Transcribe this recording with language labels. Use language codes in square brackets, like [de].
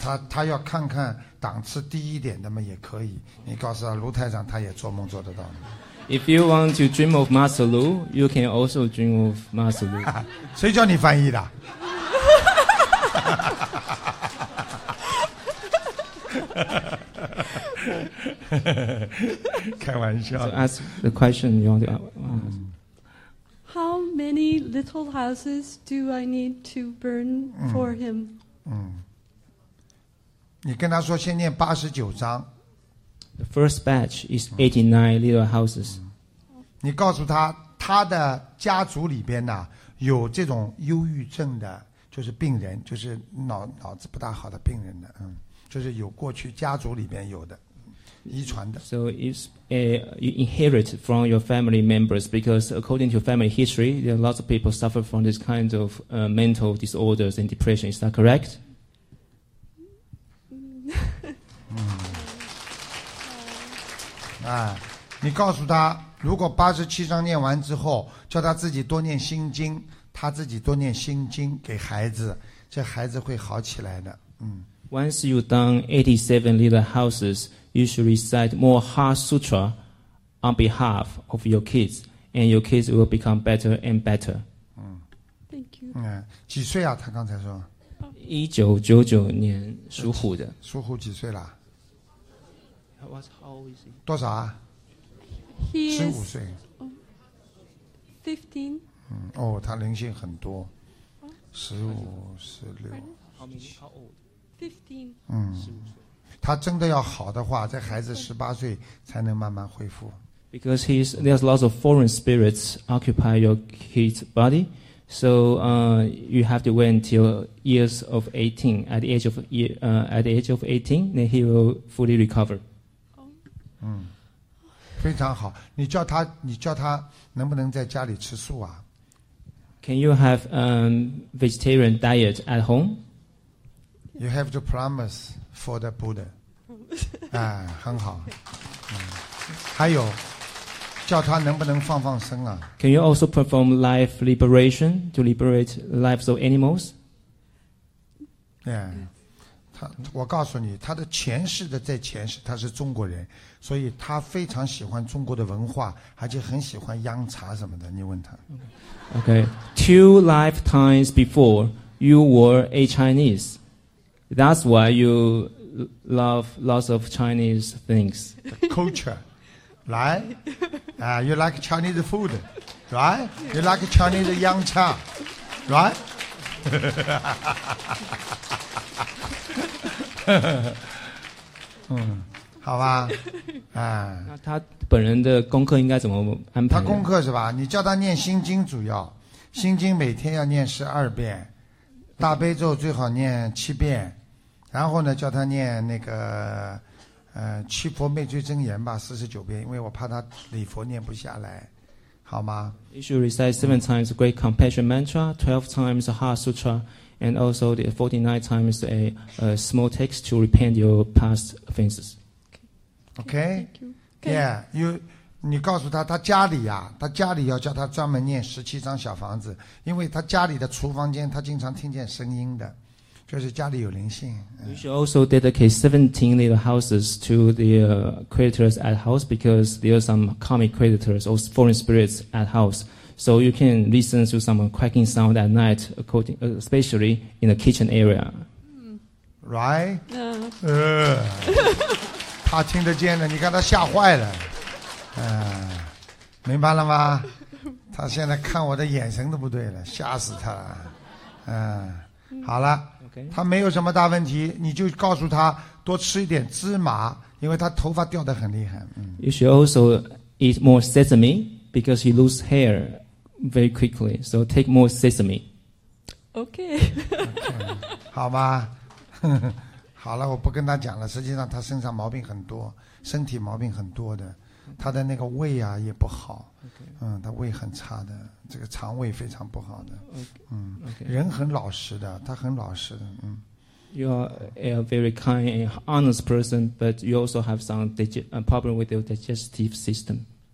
[zh] 他要看看档次低一点的嘛也可以。你告诉他卢太长，他也做梦做得到。 [en] If you want to dream of Master Lu, you can also dream of Master Lu. [zh] 谁叫你翻译的？开玩笑。 [en] So ask the question you want to ask. How many little houses do I need to burn for him? [zh] 你跟他说先念89章。 [en] The first batch is 89 little houses. [zh] 你告诉他，他的家族里边呢有这种忧郁症的，就是病人，就是脑子不大好的病人的，嗯，就是有过去家族里面有的遗传的。 [en] So it's you inherit from your family members because according to family history, there are lots of people suffer from this kind of mental disorders and depression. Is that correct? 嗯。 [zh] 啊，你告诉他，如果八十七章念完之后，叫他自己多念心经，他自己多念心经给孩子，这孩子会好起来的。嗯。 [en] Once you done 87 little houses. You should recite more heart sutra on behalf of your kids, and your kids will become better and better. Thank you. [zh] 嗯，几岁啊？他刚才说。 1999年属虎的。属虎几岁了 [en] ？How old is he? [zh] 多少啊？ 15岁。15. 嗯，哦，他灵性很多。15、16。 [en] How old? 15. 嗯。 [zh] 他真的要好的话，这孩子18岁才能慢慢恢复。 [en] Because he's there's lots of foreign spirits occupy your kid's body, so you have to wait until years of 18. At the age of 18, then he will fully recover. [zh] 嗯，非常好。你叫他能不能在家里吃素啊 [en] ？Can you have vegetarian diet at home? You have to promise. For the Buddha. [zh] 啊，很好。嗯，还有，叫他能不能放放生啊 [en] ？Can you also perform life liberation to liberate lives of animals? [zh] Yeah, 他，我告诉你，他的前世的在前世他是中国人，所以他非常喜欢中国的文化，而且很喜欢洋茶什么的。你问他。 [en] Okay, two lifetimes before you were a Chinese. That's why you love lots of Chinese things. The culture, right? You like Chinese food, right? You like Chinese yang cha, right? [zh] 嗯，好吧，啊。那他本人的功课应该怎么安排？他功课是吧？你叫他念心经主要，心经每天要念12遍，大悲咒最好念7遍。然后呢，叫他念那个，七佛灭罪真言吧，49遍，因为我怕他礼佛念不下来，好吗 [en] ？You should recite 7 times Great Compassion Mantra, 12 times Heart Sutra, and also the 49 times a small text to repent your past offenses. Okay. Thank you. Yeah, you. [zh] 你告诉他，他家里呀、啊，他家里要叫他专门念17张小房子，因为他家里的厨房间，他经常听见声音的。就是家里有灵性。 [en] You should also dedicate 17 little houses to the creditors at house because there are some karmic creditors or foreign spirits at house. So you can listen to some cracking sound at night, especially in the kitchen area. Right? [zh] 他听得见的，你看他吓坏了。明白了吗？他现在看我的眼神都不对了，吓死他了。好了。他没有什么大问题，你就告诉他多吃一点芝麻，因为他头发掉得很厉害。 [en] You should also eat more sesame because he loses hair very quickly. So take more sesame. Okay. [zh] 好吧，好了，我不跟他讲了。实际上他身上毛病很多，身体毛病很多的，他的那个胃啊也不好。嗯，他胃很差的，这个肠胃非常不好的。嗯 [en] okay. [zh] 人很老实的，他很老实的。嗯。 [en] You are a very kind and honest person, but you also have some problem with your digestive system.